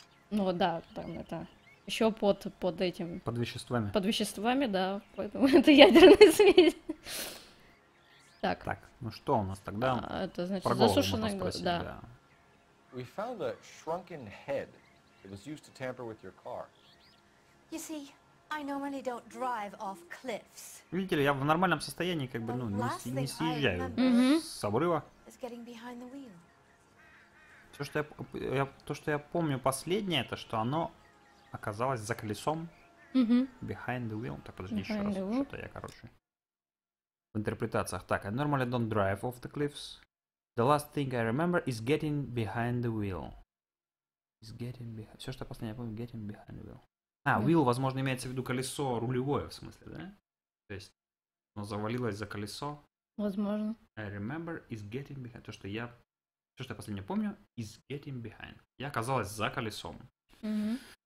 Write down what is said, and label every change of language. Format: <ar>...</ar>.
<ru>Ну, да, там это... Еще под этим... Под веществами. Под веществами, да. Поэтому это ядерная смесь. Так. Так, ну что у нас тогда? Это значит засушенная голова, да.</ru> <en>We found a shrunken head. It was used to tamper with your car. You see, I normally don't drive off cliffs.</en> <ru>Видите ли, я в нормальном состоянии, как бы, ну, не съезжаю с обрыва.</ru> <en>Is getting behind the wheel.</en> <ru>Все, что я то, что я помню последнее, это что оно оказалось за колесом. Mm-hmm.</ru> <en>Behind the wheel.</en> <ru>Так, подожди, behind еще раз. Что-то я, короче. В интерпретациях.</ru> <en>Так, I normally don't drive off the cliffs. The last thing I remember is getting behind the wheel. Is getting behind...</en> <ru>Все, что я последнее помню,</ru> <en>getting behind the wheel.</en> <ru>А, wheel, возможно, имеется в виду колесо рулевое, в смысле, да? То есть, оно завалилось за колесо. Возможно.</ru> <en>I remember is getting behind...</en> <ru>То, что я... Все, что я последнее помню,</ru> <en>is getting behind.</en> <ru>Я оказалась за колесом. Угу.</ru>